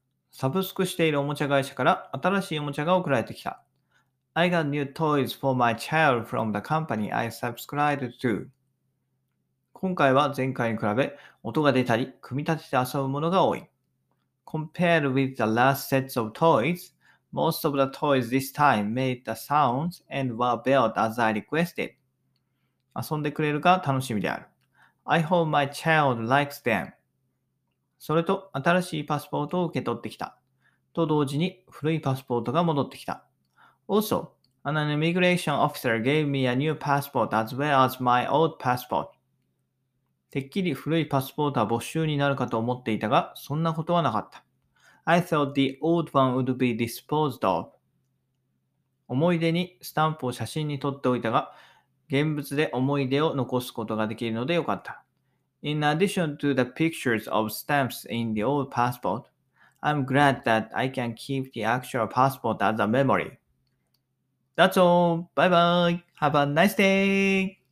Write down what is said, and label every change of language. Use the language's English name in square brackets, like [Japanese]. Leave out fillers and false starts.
[Japanese] サブスクしているおもちゃ会社から新しいおもちゃが送られてきた。 [English] I got new toys for my child from the company I subscribed to. [Japanese] 今回は前回に比べ音が出たり組み立てて遊ぶものが多い。 [English] Compared with the last sets of toys, most of the toys this time made the sounds and were built as I requested. [Japanese] 遊んでくれるか楽しみである。 [English] I hope my child likes them. [Japanese] それと、新しいパスポートを受け取ってきた。と同時に、古いパスポートが戻ってきた。 [English] Also, an immigration officer gave me a new passport as well as my old passport. [Japanese] てっきり古いパスポートは没収になるかと思っていたが、そんなことはなかった。 [English] I thought the old one would be disposed of. [Japanese] 思い出にスタンプを写真に撮っておいたが、現物で思い出を残すことができるのでよかった。 [English] In addition to the pictures of stamps in the old passport, I'm glad that I can keep the actual passport as a memory. That's all. Bye bye. Have a nice day.